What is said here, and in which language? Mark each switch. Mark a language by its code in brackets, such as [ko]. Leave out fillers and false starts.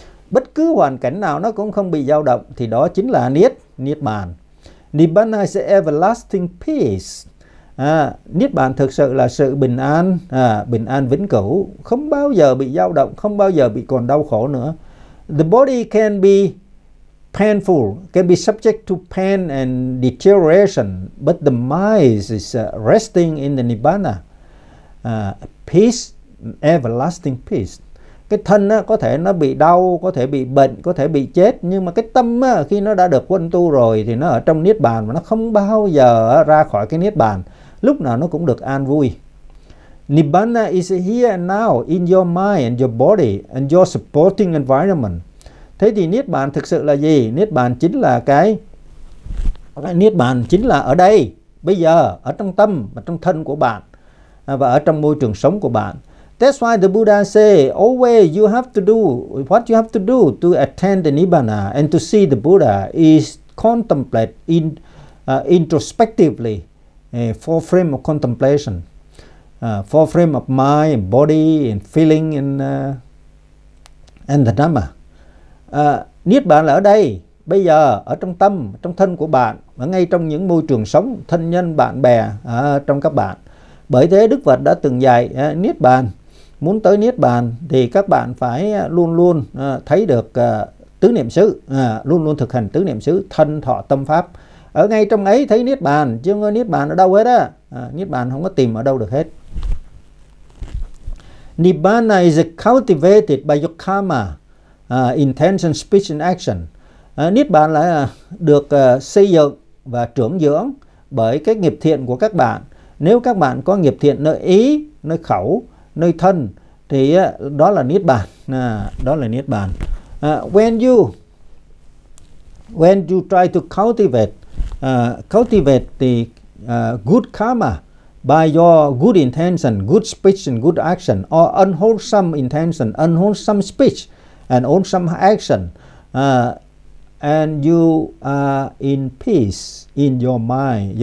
[vi] Bất cứ hoàn cảnh nào nó cũng không bị dao động thì đó chính là Niết bàn. [en] Nibbana is everlasting peace. [vi] Niết bàn thực sự là sự bình an vĩnh cửu, không bao giờ bị dao động, không bao giờ bị còn đau khổ nữa. [en] The body can be painful, can be subject to pain and deterioration, but the mind is resting in the Nibbana. Peace, everlasting peace. [vi] Cái thân có thể nó bị đau, có thể bị bệnh, có thể bị chết, nhưng mà cái tâm khi nó đã được quân tu rồi thì nó ở trong Niết bàn và nó không bao giờ ra khỏi cái Niết bàn. Lúc nào nó cũng được an vui. [en] Nibbana is here and now in your mind and your body and your supporting environment. [vi] Thế thì Niết bàn thực sự là gì? Niết bàn chính là Niết bàn chính là ở đây, bây giờ, ở trong tâm và trong thân của bạn và ở trong môi trường sống của bạn. [en] That's why the Buddha say, always you have to do what you have to do to attain the Nibbana and to see the Buddha is contemplate in introspectively. Four frame of contemplation, four frame of mind, body, and feeling, and the Dhamma. [vi] Niết bàn là ở đây, bây giờ, ở trong tâm, trong thân của bạn, ở ngay trong những môi trường sống, thân nhân, bạn bè, trong các bạn. Bởi thế Đức Phật đã từng dạy Niết bàn. Muốn tới Niết bàn thì các bạn phải luôn luôn thấy được tứ niệm xứ, luôn luôn thực hành tứ niệm xứ, thân, thọ, tâm, pháp. Ở ngay trong ấy thấy Niết bàn, chứ không có Niết bàn ở đâu hết á. Niết bàn không có tìm ở đâu được hết. [en] Nibbana is cultivated by your karma, intention, speech and action. [vi] Niết bàn là được xây dựng và trưởng dưỡng bởi cái nghiệp thiện của các bạn. Nếu các bạn có nghiệp thiện nơi ý, nơi khẩu, nơi thân thì đó là Niết bàn. [en] When you try to cultivate the good karma by your good intention, good speech and good action, or unwholesome intention, unwholesome speech and unwholesome action, and you are in peace in your mind.